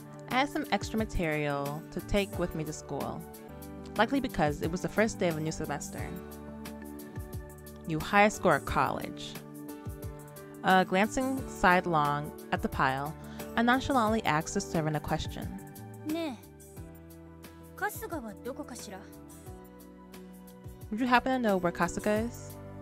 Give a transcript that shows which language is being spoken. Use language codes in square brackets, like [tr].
[en] I had some extra material to take with me to school, likely because it was the first day of a new semester. New highest score at college. Glancing sidelong at the pile, I nonchalantly asked the servant a question. [ja] ねえ、春日はどこかしら? [en] Would you happen to know where Kasuga is?